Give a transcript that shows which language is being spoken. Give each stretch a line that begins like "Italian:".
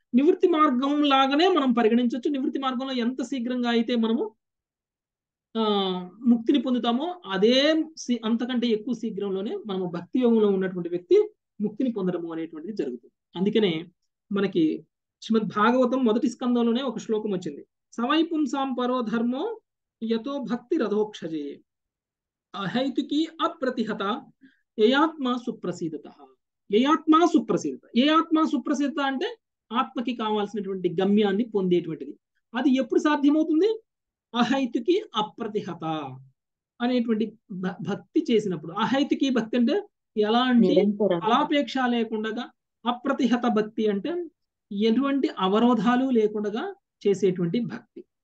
Telugu: నివృత్తి మార్గం లాగానే మనం పరిగణించవచ్చు. నివృత్తి మార్గంలో ఎంత శీఘ్రంగా అయితే మనము ముక్తిని పొందుతామో అదే అంతకంటే ఎక్కువ శీఘ్రంలోనే మనము భక్తి యోగంలో ఉన్నటువంటి వ్యక్తి ముక్తిని పొందడము అనేటువంటిది జరుగుతుంది. అందుకనే మనకి శ్రీమద్ భాగవతం మొదటి స్కందంలోనే ఒక శ్లోకం వచ్చింది,
Sanskrit: సవై పుంసాం పరో ధర్మో यतो भक्ति रधोक्षजे अहैतुकी अप्रतिहता ययात्मा सुप्रसीदता।
Telugu: ఏయాత్మా సుప్రసిద్ధత, ఏ ఆత్మా సుప్రసిద్ధత అంటే ఆత్మకి కావాల్సినటువంటి గమ్యాన్ని పొందేటువంటిది. అది ఎప్పుడు సాధ్యమవుతుంది? అహైతుకి అప్రతిహత అనేటువంటి భక్తి చేసినప్పుడు. అహైతుకి భక్తి అంటే ఎలాంటి నిరంతరంగా ఫలాపేక్ష లేకుండగా, అప్రతిహత భక్తి అంటే ఎటువంటి అవరోధాలు లేకుండగా చేసేటువంటి భక్తి.